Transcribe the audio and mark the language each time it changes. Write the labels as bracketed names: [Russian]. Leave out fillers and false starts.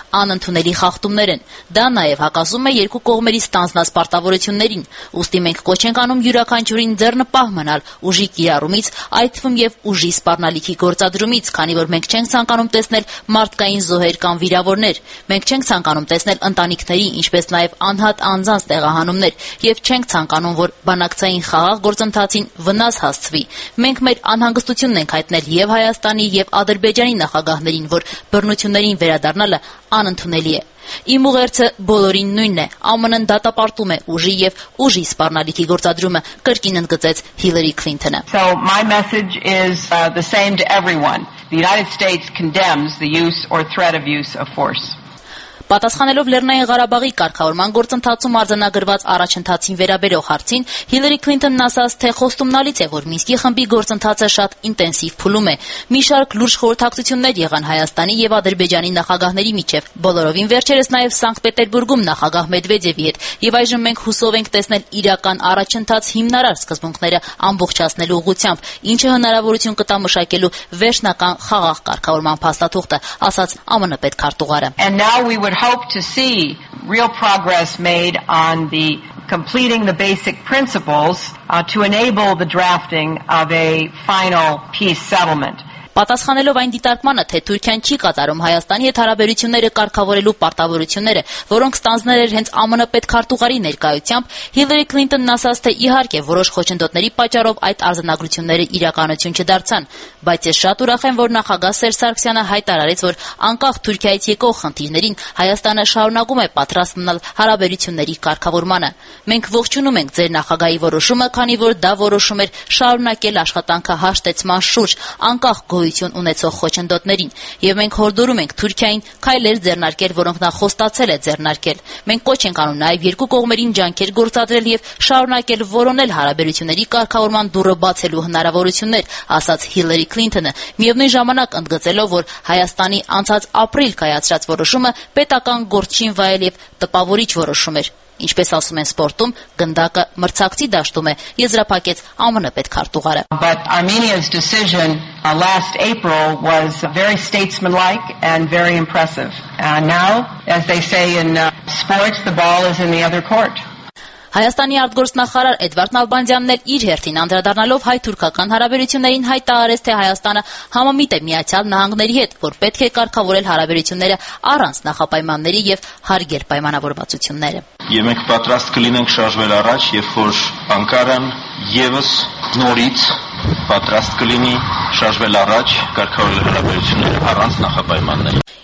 [Armenian] անընդունելի խախտումներ են։ Դա նաև հակասում է երկու կողմերի ստանձնած պարտավորություններին։ Ուստի մենք կոչ ենք անում յուրաքանչյուրին ձեռնպահ մնալ ուժի կիրառումից, այդ թվում և ուժի սպառնալիքի գործադրումից, քանի որ մենք չենք ցանկանում տեսնել մարդկային զոհեր կամ վիրավորներ, մենք չենք ցանկանում տեսնել ընտանիքների, ինչպես նաև անհատ անձանց տեղահանումներ, և չենք ցանկանում, որ բանակցային խաղաղ գործընթացին վնաս հասցվի։ Մենք մեր անհանգստությունն ենք հայտնել և Հայաստանի, և Ադրբեջանի նախագահներին, որ բռնություններին վերադառնալը անընդունելի է։ Իմ ուղերձը բոլորին նույնն է, ԱՄՆ-ն դատապարտում է ուժի և ուժի սպառնալիքի գործադրումը, կրկին ընդգծեց Հիլարի Քլինթոնը։ [English] So my message is the same to everyone. The United States condemns the use or threat of use of force. [Armenian] Պատասխանելով Լեռնային Ղարաբաղի կարգավորման գործընթացում արձանագրված առաջընթացին վերաբերող հարցին, Հիլարի Քլինթոնն ասաց, թե խոստումնալից է, որ Մինսկի խմբի գործընթացը շատ ինտենսիվ փուլում է։ Մի շարք լուրջ խորհրդակցություններ եղան Հայաստանի և Ադրբեջանի նախագահների միջև, բոլորովին վերջերս նաև Սանկտ Պետերբուրգում նախագահ Մեդվեդևի հետ, և այժմ մենք հուսով ենք տեսնել իրական առաջընթաց հիմնարար սկզբունքները ամբողջացնելու ուղղությամբ, ինչը հնարավորություն կտա մշակելու վերջնական խաղաղ կարգավորման փաստաթուղթը, ասաց ԱՄՆ պետքարտուղարը։ [English] Would hope to see real progress made on the completing the basic principles to enable the drafting of a final peace settlement. [Armenian] Պատասխանելով այն դիտարկմանը, թե Թուրքիան չի կատարում Հայաստանի հետ հարաբերությունները կարգավորելու պարտավորությունները, որոնք ստանձնել էր հենց ԱՄՆ պետքարտուղարի ներկայությամբ, Հիլարի Քլինթոնն ասաց, թե իհարկե որոշ խոչընդոտների պատճառով այդ արձանագրությունները իրականություն չդարձան, բայց ես շատ ուրախ եմ, որ նախագահ Սերժ Սարգսյանը հայտարարեց, որ անկախ Թուրքիայից եկող խնդիրներին Հայաստանը շարունակում է պատրաստ մնալ հարաբերությունների կարգավորմանը։ Մենք ողջունում ենք ձեր նախագահի որոշումը, քանի որ դա որոշում էր շարունակել աշխատանքը հաշտեցման շուրջ, անկախ գոյություն ունեցող խոչընդոտներին, և մենք հորդորում ենք Թուրքիային քայլեր ձեռնարկել, որոնք նա խոստացել է ձեռնարկել։ Մենք կոչ ենք անում նաև երկու կողմերին ջանքեր գործադրել և շարունակել որոնել հարաբերությունների կարգավորման դուռը բացելու հնարավորություններ, ասաց Հիլարի Քլինթոնը, միևնույն ժամանակ ընդգծելով, որ Հայաստանի անցած ապրիլ կայացրած որոշումը պետական գործչին վայել և տպավորիչ որոշում էր։ Ինչպես ասում են սպորտում, գնդակը մրցակցի դաշտում է, եզրափակեց ԱՄՆ պետքարտուղարը։ [English] But Armenia's decision last April was very statesmanlike and very impressive. Now, as they say in sports, the ball is in the other court. [Armenian] Հայաստանի արտգործնախարար Էդվարդ Նալբանդյանն էլ իր հերթին անդրադառնալով հայ-թուրքական հարաբերություններին հայտարարեց, թե Հայաստանը համամիտ է Միացյալ Նահանգների հետ, որ պետք է կարգավորել հարաբերությունները առանց նախապայմանների և հարգել պայմանավորվածությունները։ Եվ մենք պատրաստ կլինենք շարժվել առաջ, երբ որ Անկարան ևս նորից պատրաստ կլինի շարժվել առաջ, կարգավորել հարաբերությունները առանց նախապայմանների։